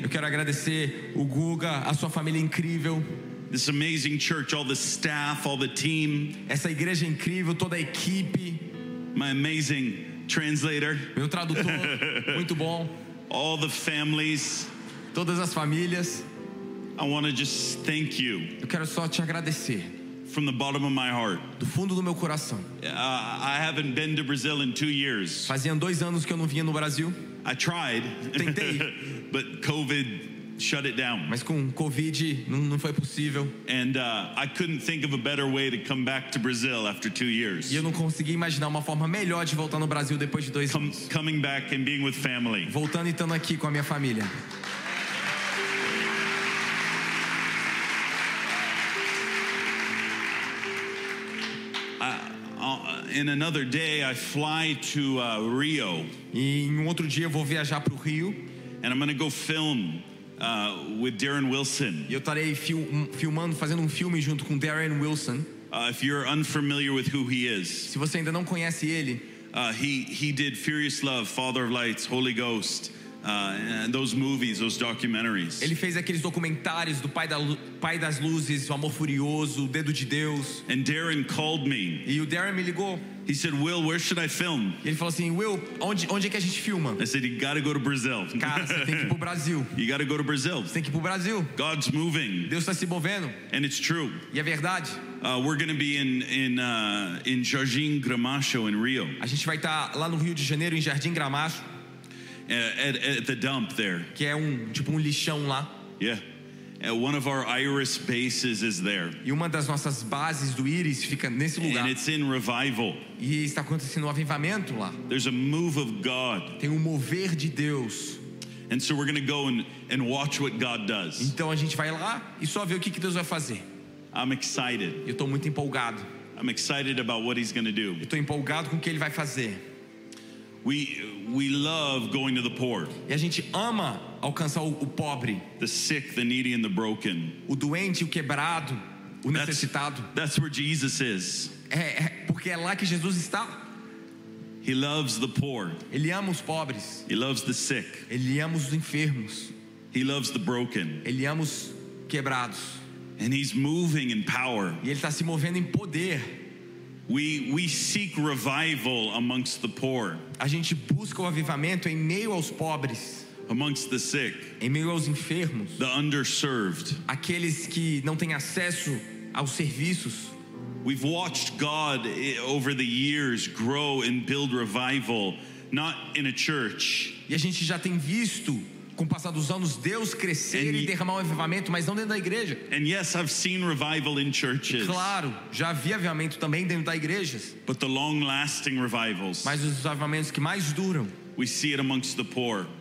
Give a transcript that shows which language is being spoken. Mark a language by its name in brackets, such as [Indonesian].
[Portuguese] Eu quero agradecer o Guga, a sua família incrível. [English] This amazing church, all the staff, all the team. [Portuguese] Essa igreja incrível, toda a equipe. [English] My amazing translator. [Portuguese] Meu tradutor, muito bom. [English] All the families. [Portuguese] Todas as famílias. [English] I want to just thank you. [Portuguese] Eu quero só te agradecer. [English] From the bottom of my heart. [Portuguese] Do fundo do meu coração. [English] I haven't been to Brazil in 2 years. [Portuguese] Fazia 2 anos que eu não vinha no Brasil. [English] I tried, [Portuguese] tentei, [English] but COVID shut it down. [Portuguese] Mas com COVID não foi possível. [English] And I couldn't think of a better way to come back to Brazil after 2 years. [Portuguese] E eu não consegui imaginar uma forma melhor de voltar no Brasil depois de 2 anos. [English] Coming back and being with family. [Portuguese] Voltando e estando aqui com a minha família. [English] In another day, I fly to Rio. [Portuguese] E em outro dia eu vou viajar para o Rio. [English] And I'm gonna go film with Darren Wilson. [Portuguese] E eu estarei filmando, fazendo filme junto com Darren Wilson. [English] If you're unfamiliar with who he is, [Portuguese] se você ainda não conhece ele, [English] he did Furious Love, Father of Lights, Holy Ghost, and those movies, those documentaries. [Portuguese] Ele fez aqueles documentários do Pai das Luzes, O Amor Furioso, O Dedo de Deus. [English] And Darren called me. [Portuguese] E o Darren me ligou. [English] He said, "Will, where should I film?" [Portuguese] Ele falou assim, "Will, onde é que a gente filma?" [English] I said, "You gotta go to Brazil." [Portuguese] Cara, você tem que ir pro Brasil. [English] You gotta go to Brazil. [Portuguese] Você tem que ir pro Brasil. [English] God's moving. [Portuguese] Deus está se movendo. [English] And it's true. [Portuguese] E é verdade. [English] We're gonna be in Jardim Gramacho in Rio. [Portuguese] A gente vai estar lá no Rio de Janeiro em Jardim Gramacho. [English] At the dump there. [Portuguese] Que é tipo um lixão lá. [English] Yeah. One of our Iris bases is there. [Portuguese] E uma das nossas bases do Iris fica nesse lugar. [English] And it's in revival. [Portuguese] E está acontecendo um avivamento lá. [English] There's a move of God. [Portuguese] Tem um mover de Deus. [English] And so we're going to go and watch what God does. [Portuguese] Então a gente vai lá e só ver o que Deus vai fazer. [English] I'm excited. [Portuguese] Eu estou muito empolgado. [English] I'm excited about what he's going to do. [Portuguese] Eu estou empolgado com o que ele vai fazer. [English] We love going to the poor. [Portuguese] E a gente ama alcançar o pobre. [English] The sick, the needy, and the broken. [Portuguese] O doente, o quebrado, o necessitado. [English] That's where Jesus is. [Portuguese] É porque é lá que Jesus está. [English] He loves the poor. [Portuguese] Ele ama os pobres. [English] He loves the sick. [Portuguese] Ele ama os enfermos. [English] He loves the broken. [Portuguese] Ele ama os quebrados. [English] And he's moving in power. [Portuguese] E ele está se movendo em poder. [English] We seek revival amongst the poor. [Portuguese] A gente busca o avivamento em meio aos pobres. [English] Amongst the sick. [Portuguese] Em meio aos enfermos. [English] The underserved. [Portuguese] Aqueles que não têm acesso aos serviços. [English] We've watched God over the years grow and build revival, not in a church. [Portuguese] E a gente já tem visto com o passar dos anos Deus crescer e derramar um avivamento, mas não dentro da igreja. [English] And yes, I've seen revival in churches. [Portuguese] E claro, já vi avivamento também dentro das igrejas. [English] But the long-lasting revivals. [Portuguese] Mas os avivamentos que mais duram. [English] We see it amongst the poor.